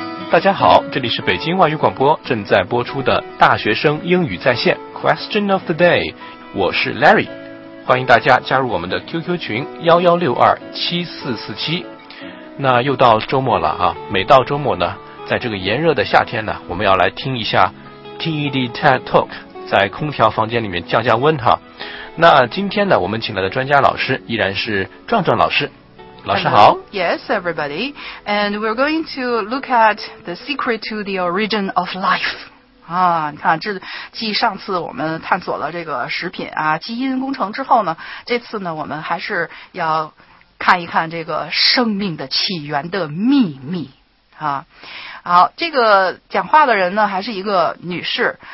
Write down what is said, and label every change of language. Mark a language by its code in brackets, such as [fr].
[zh] 大家好，这里是北京外语广播正在播出的大学生英语在线 Question of the day， 我是 Larry， 欢迎大家加入我们的 QQ 群11627447。那又到周末了啊，每到周末呢，在这个炎热的夏天呢，我们要来听一下 TED TED Talk， 在空调房间里面降降温哈。那今天呢，我们请来的专家老师依然是壮壮老师。 [en] Hello, yes, everybody. And we're going to look at the secret to the origin of life. [zh] 啊，你看，这继上次我们探索了这个食品啊，基因工程之后呢，这次呢，我们还是要看一看这个生命的起源的秘密。啊，好，这个讲话的人呢，还是一个女士。